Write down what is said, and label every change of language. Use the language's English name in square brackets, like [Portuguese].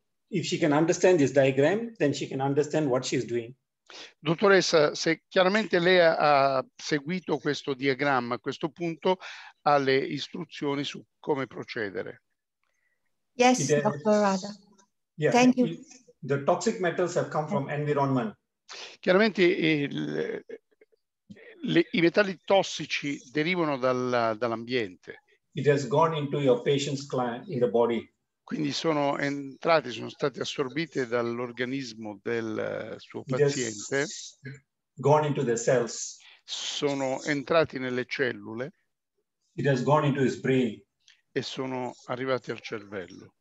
[English] If she can understand this diagram, then she can understand what she's doing. [Italian] Dottoressa, se chiaramente lei ha seguito questo diagramma, a questo punto ha le istruzioni su come procedere. [English] Yes, Dr. Rada. Yeah. Thank you. The toxic metals have come from environment. [Italian] Chiaramente i metalli tossici derivano dall'ambiente. [English] It has gone into your patient's client in the body. [Italian] Quindi sono entrati, sono state assorbite dall'organismo del suo paziente. [English] Gone into the cells. [Italian] Sono entrati nelle cellule. [English] It has gone into his brain. [Italian] E sono arrivati al cervello.